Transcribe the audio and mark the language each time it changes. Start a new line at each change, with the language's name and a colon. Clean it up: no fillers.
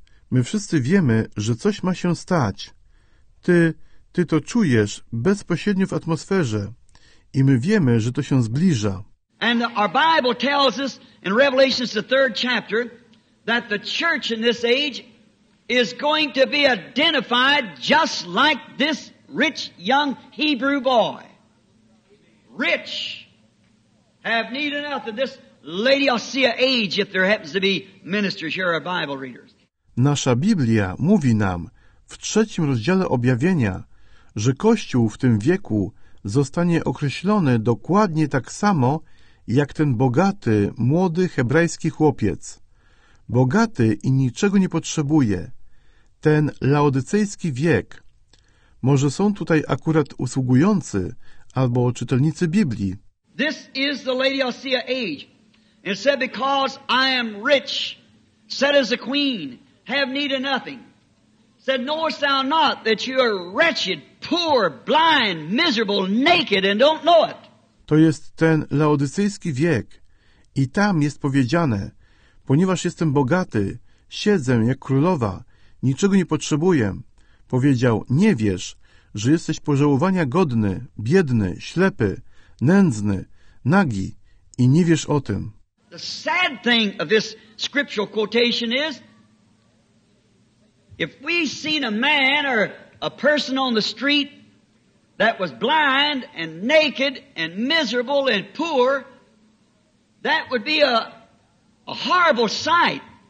Polish: My wszyscy wiemy, że coś ma się stać. Ty to czujesz bezpośrednio w atmosferze. I my wiemy, że to się zbliża.
English: And our Bible tells us in Revelation, the third chapter, that the church in this age is going to be identified just like this rich young Hebrew boy. Rich. Have need of nothing. This lady will see an age if there happens to be ministers here or Bible readers.
Polish: Nasza Biblia mówi nam w 3 rozdziale objawienia, że Kościół w tym wieku zostanie określony dokładnie tak samo jak ten bogaty, młody hebrajski chłopiec. Bogaty i niczego nie potrzebuje. Ten laodycejski wiek. Może są tutaj akurat usługujący albo czytelnicy Biblii.
English: This is the Laodicea age. It said, because I am rich, said as a queen, have need of nothing. Said, knowest thou not that you are wretched, poor, blind, miserable, naked, and don't know it.
Polish: To jest ten laodycejski wiek. I tam jest powiedziane, ponieważ jestem bogaty, siedzę jak królowa, niczego nie potrzebuję. Powiedział, nie wiesz, że jesteś pożałowania godny, biedny, ślepy, nędzny, nagi i nie wiesz o tym.
English: The sad thing of this scriptural quotation is, if we seen a man or a person on the street that was blind and naked and miserable and poor, that would be a horrible sight.